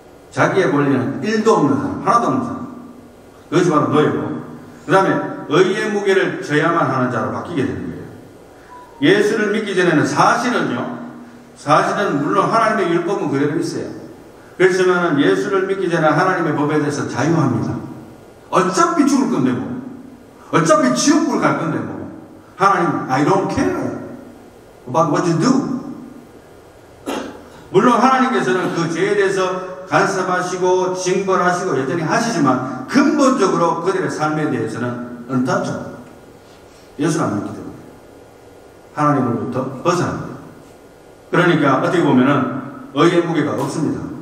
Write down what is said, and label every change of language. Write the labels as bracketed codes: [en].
[ko] 자기의 권리는 1도 없는 사람, 하나도 없는 사람. 그것이 바로 노예고 그 다음에 의의 무게를 져야만 하는 자로 바뀌게 되는 거예요. 예수를 믿기 전에는 사실은요. 사실은 물론 하나님의 율법은 그대로 있어요. 그렇지만 예수를 믿기 전에 하나님의 법에 대해서 자유합니다. 어차피 죽을 건데 뭐. 어차피 지옥불 갈 건데 뭐. [en] 하나님 I don't care about what you do. [ko] 물론 하나님께서는 그 죄에 대해서 간섭하시고 징벌하시고 여전히 하시지만 근본적으로 그들의 삶에 대해서는 은탑처 예수를 안 믿기 때문에 하나님으로부터 벗어난 거예요. 그러니까 어떻게 보면은 의의 무게가 없습니다.